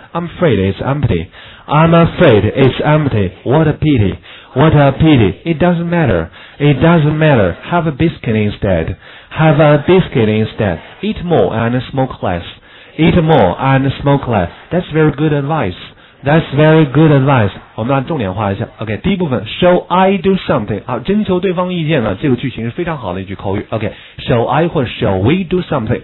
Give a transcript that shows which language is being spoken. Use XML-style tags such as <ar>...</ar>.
<en>I'm afraid it's empty. I'm afraid it's empty. What a pity. What a pity. It doesn't matter. It doesn't matter. Have a biscuit instead. Have a biscuit instead. Eat more and smoke less. Eat more and smoke less. That's very good advice. That's very good advice.</en> <zh>我们按重点画一下。</zh> <en>OK,</en> <zh>第一部分</zh> <en>Shall I do something?</en> <zh>好，征求对方意见呢，这个句型是非常好的一句口语。</zh> <en>OK, Shall I 或 Shall we do something?</en>